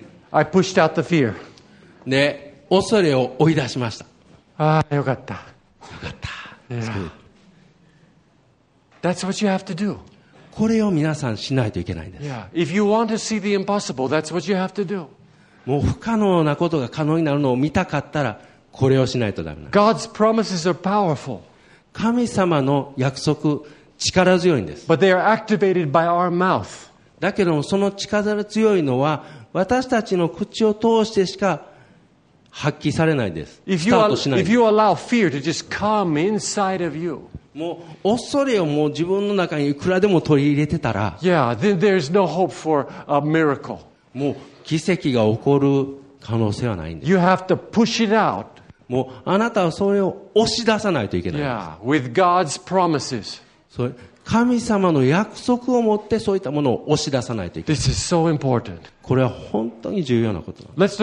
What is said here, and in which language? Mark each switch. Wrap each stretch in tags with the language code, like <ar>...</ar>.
<en>I pushed out the fear.</en> <ja>ね、恐れを追い出しました。ああ、よかった。よかった。</ja> <en>That's what you have to do.</en> <ja>これを皆さんしないといけないんです。</ja> <en>Yeah. If you want to see the impossible, that's what you have to do.</en> <ja>もう不可能なことが可能になるのを見たかったら、これをしないとダメなんです。</ja> <en>God's promises are powerful.</en> <ja>神様の約束、力強いんです。</ja> <en>But they are activated by our mouth.</en> <ja>だけどもその力強いのは、私たちの口を通してしか発揮されないです。</ja> <en>If you allow fear to just come inside of you,</en> <ja>もう恐れをもう自分の中にいくらでも取り入れてたら、</ja> <en>yeah, then there's no hope for a miracle.</en> <ja>もう奇跡が起こる可能性はないんです。</ja> <en>You have to push it out.</en> <ja>もうあなたはそれを押し出さないといけないんです。</ja> <en>Yeah, with God's promises.</en> <ja>それ神様の約束を持ってそういったものを押し出さないといけない。</ja> <en>This is so important.</en> <ja>これは本当に重要なことなんです。</ja>